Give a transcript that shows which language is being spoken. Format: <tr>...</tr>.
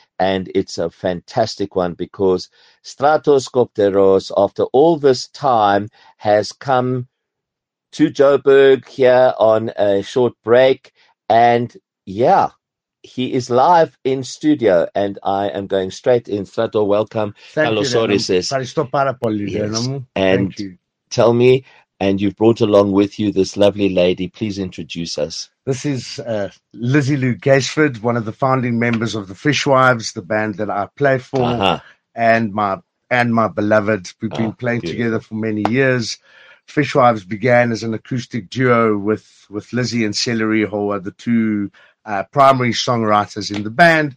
<en>And it's a fantastic one because Stratos Copteros, after all this time, has come to Joburg here on a short break. And yeah, he is live in studio and I am going straight in. Strato, welcome. Thank you.</en> <el>Ευχαριστώ πάρα πολύ, Renos.</el> <en>And tell me, and you've brought along with you this lovely lady. Please introduce us. This is Lizzie Lou Gasford, one of the founding members of the FISHWIVES, the band that I play for, and my beloved. We've been playing together for many years. FISHWIVES began as an acoustic duo with Lizzie and Celery, who are the two primary songwriters in the band.</en>